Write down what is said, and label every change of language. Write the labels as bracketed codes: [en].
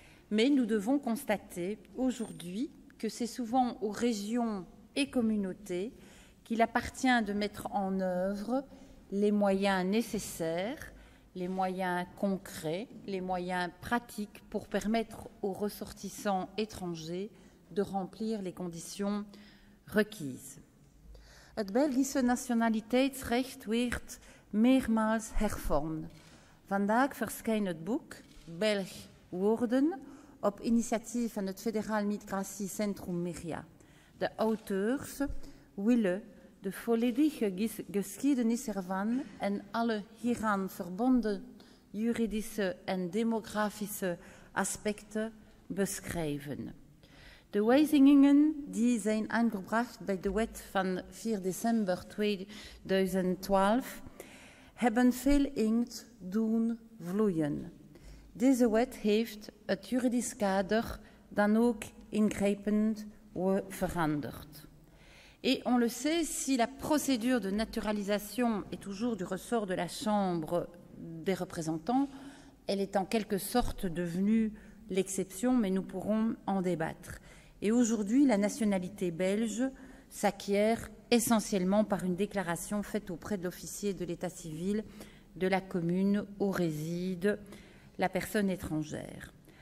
[fr] Mais nous devons constater aujourd'hui que c'est souvent aux régions et communautés qu'il appartient de mettre en œuvre les moyens nécessaires, les moyens concrets, les moyens pratiques pour permettre aux ressortissants étrangers de remplir les conditions requises. [nl] Het Belgische nationaliteitsrecht wordt meermaals hervormd. Vandaag verschijnt het boek Belg worden op initiatief van het Federaal Migratiecentrum Meria. De auteurs willen de volledige geschiedenis ervan en alle hieraan verbonden juridische en demografische aspecten beschrijven. De wijzigingen die zijn aangebracht bij de wet van 4 december 2012 hebben veel inkt doen vloeien. Deze wet heeft het juridisch kader dan ook ingrijpend veranderd. [fr] Et on le sait, si la procédure de naturalisation est toujours du ressort de la Chambre des représentants, elle est en quelque sorte devenue l'exception, mais nous pourrons en débattre. Et aujourd'hui, la nationalité belge s'acquiert essentiellement par une déclaration faite auprès de l'officier de l'état civil de la commune où réside la personne étrangère.